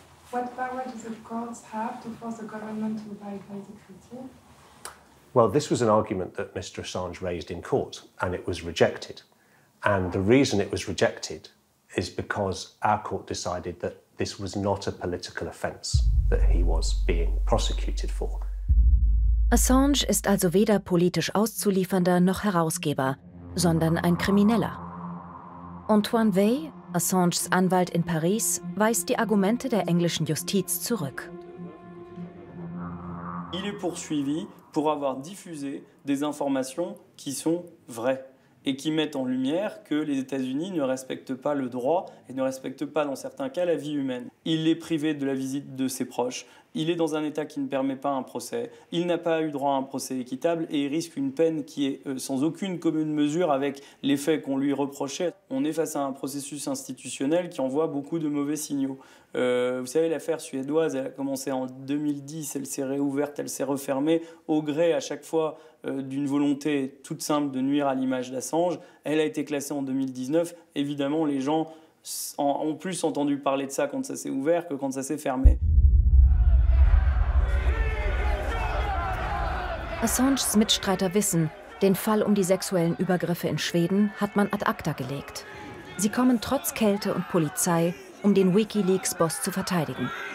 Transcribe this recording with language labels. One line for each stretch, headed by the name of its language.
English: What power do the courts have to force the government to abide by the treaty? Well, this was an argument that Mr. Assange raised in court, and it was rejected. And the reason it was rejected is because our court decided that this was not a political offence that he was being prosecuted for.
German: Assange ist also weder politisch Auszuliefernder noch Herausgeber, sondern ein Krimineller. Antoine Wey, Assanges Anwalt in Paris, weist die Argumente der englischen Justiz zurück.
French: Il est poursuivi pour avoir diffusé des informations qui sont vraies et qui mettent en lumière que les États-Unis ne respectent pas le droit et ne respectent pas, dans certains cas, la vie humaine. Il est privé de la visite de ses proches. Il est dans un état qui ne permet pas un procès. Il n'a pas eu droit à un procès équitable et il risque une peine qui est sans aucune commune mesure avec les faits qu'on lui reprochait. On est face à un processus institutionnel qui envoie beaucoup de mauvais signaux. Vous savez, l'affaire suédoise, elle a commencé en 2010, elle s'est réouverte, elle s'est refermée au gré à chaque fois d'une volonté toute simple de nuire à l'image d'Assange. Elle a été classée en 2019. Évidemment, les gens ont plus entendu parler de ça quand ça s'est ouvert que quand ça s'est fermé.
German: Assanges Mitstreiter wissen, den Fall um die sexuellen Übergriffe in Schweden hat man ad acta gelegt. Sie kommen trotz Kälte und Polizei, um den Wikileaks-Boss zu verteidigen.